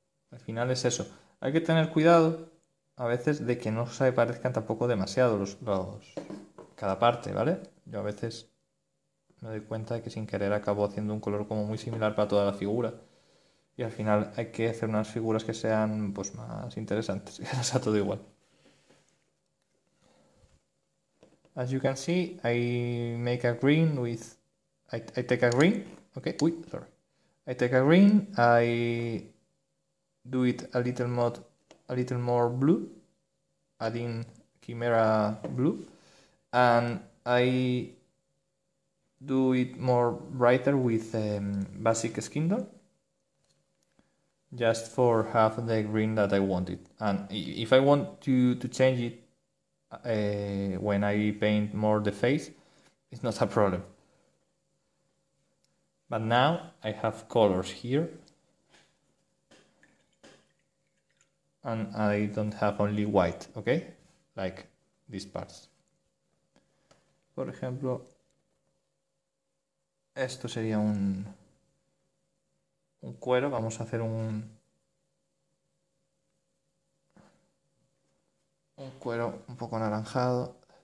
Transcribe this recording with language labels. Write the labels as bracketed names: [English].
[Spanish] Al final es eso. Hay que tener cuidado a veces de que no se parezcan tampoco demasiado cada parte, ¿vale? Yo a veces me doy cuenta de que sin querer acabo haciendo un color como muy similar para toda la figura. Y al final hay que hacer unas figuras que sean pues más interesantes, que no sea todo igual. [English] As you can see, I make a green with... I take a green, okay. Uy, sorry. I take a green, I do it a little more blue, adding Chimera blue, and I do it more brighter with basic skin tone, just for half the green that I wanted. And if I want to change it when I paint more the face, it's not a problem. But now I have colors here. And I don't have only white, okay? Like these parts. [Spanish] Por ejemplo, esto sería un cuero. Vamos a hacer un cuero un poco anaranjado.